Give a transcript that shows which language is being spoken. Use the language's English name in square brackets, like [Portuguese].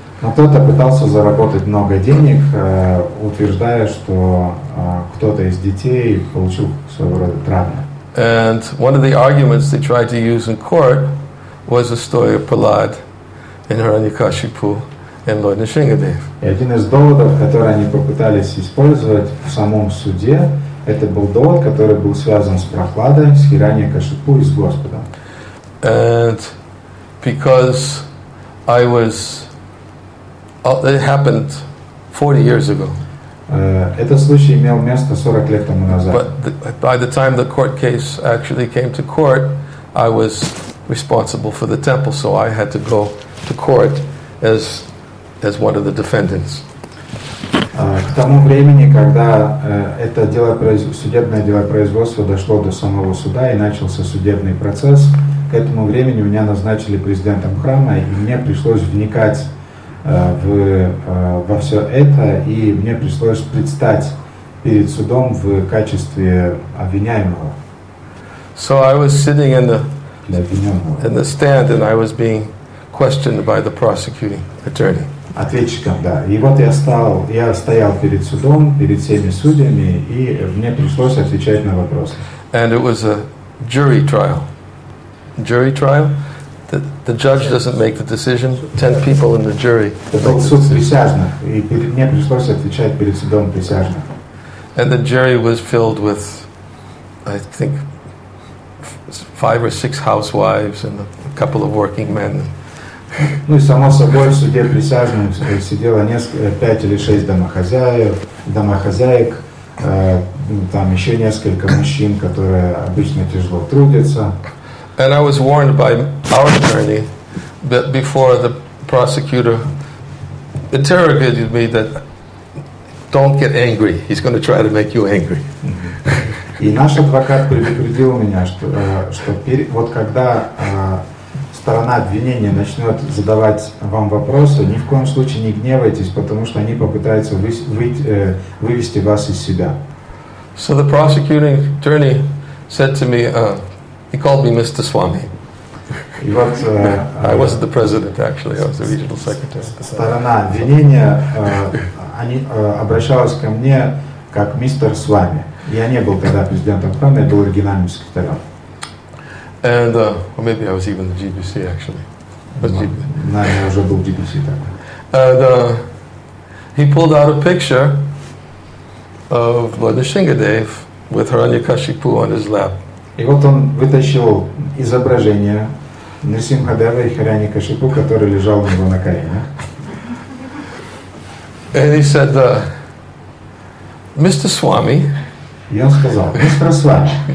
[Russian] Но кто-то пытался заработать много денег, утверждая, что кто-то из детей получил своего рода травму. [English] And one of the arguments they tried to use in court was the story of Prahlad in Hiranyakashipu and Lord Nrisingadev. [Russian] И один из доводов, который они попытались использовать в самом суде, это был довод, который был связан с Прохладой, с Хираньякашипу и с Господом. [English] And because I was, it happened 40 years ago. [Russian] Этот случай имел место 40 лет тому назад. [English] But by the time the court case actually came to court, I was responsible for the temple, so I had to go to court as one of the defendants. [Russian] К тому времени, когда это дело, судебное дело производства дошло до самого суда и начался судебный процесс, к этому времени меня назначили президентом храма, и мне пришлось вникать во все это, и мне пришлось предстать перед судом в качестве обвиняемого. [English] So I was sitting in the stand, and I was being questioned by the prosecuting attorney. [Russian] Ответчиком, да. И вот я стоял перед судом, перед всеми судьями, и мне пришлось отвечать на вопросы. [English] And it was a jury trial. Jury trial? The judge doesn't make the decision. 10 people in the jury. [Russian] Это был суд присяжных, и мне пришлось отвечать перед судом присяжных. [English] And the jury was filled with, I think, 5 or 6 housewives and a couple of working men. [Russian] Ну и само собой в суде присяжных сидело 5 или 6 домохозяек, там еще несколько мужчин, которые обычно тяжело трудятся. [English] And I was warned by our attorney that before the prosecutor interrogated me, that don't get angry. He's going to try to make you angry. [Russian] И наш адвокат предупредил меня, что вот когда сторона обвинения начнет задавать вам вопросы, ни в коем случае не гневайтесь, потому что они попытаются вывести вас из себя. [English] So the prosecuting attorney said to me, he called me Mr. Swami. I wasn't the president, actually. I was the regional secretary. [Russian] Сторона обвинения, они обращались ко мне как мистер Свами. Я не был тогда президентом храма, я был оригинальным секретарем. [English] And or maybe I was even the GBC, actually. No, I was already GBC. And he pulled out a picture of Lord Nrisingadev with Hiranyakashipu on his lap. [Russian] И вот он вытащил изображение Нисимхадева и Харяни Кашипу, который лежал у него на коленях. [English] And he said, Mr. Swami, [Russian] и он сказал, мистер Свами,